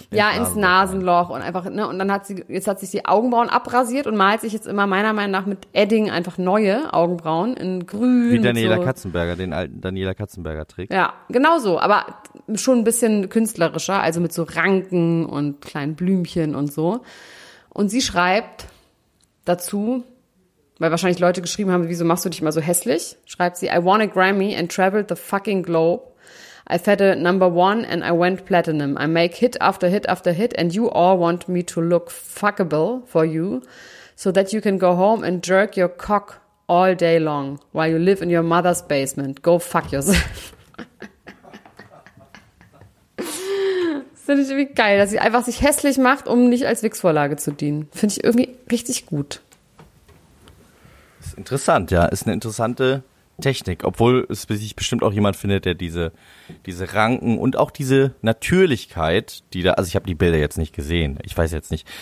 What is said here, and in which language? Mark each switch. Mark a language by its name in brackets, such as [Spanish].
[German] Ja, ins Nasenloch und einfach, ne, und dann hat sie, jetzt hat sich die Augenbrauen abrasiert und malt sich jetzt immer meiner Meinung nach mit Edding einfach neue Augenbrauen in grün. Wie Daniela so. Katzenberger, den alten Daniela Katzenberger trägt. Ja, genau so, aber schon ein bisschen künstlerischer, also mit so Ranken und kleinen Blümchen und so. Und sie schreibt dazu, weil wahrscheinlich Leute geschrieben haben, wieso machst du dich immer so hässlich? Schreibt sie, [English] I won a Grammy and traveled the fucking globe. I fed a number one and I went platinum. I make hit after hit after hit and you all want me to look fuckable for you so that you can go home and jerk your cock all day long while you live in your mother's basement. Go fuck yourself. [German] Das finde ich irgendwie geil, dass sie einfach sich hässlich macht, um nicht als Wichsvorlage zu dienen. Finde ich irgendwie richtig gut. Ist interessant, ja. Ist eine interessante Technik. Obwohl es sich bestimmt auch jemand findet, der diese Ranken und auch diese Natürlichkeit, die da, also ich habe die Bilder jetzt nicht gesehen. Ich weiß jetzt nicht.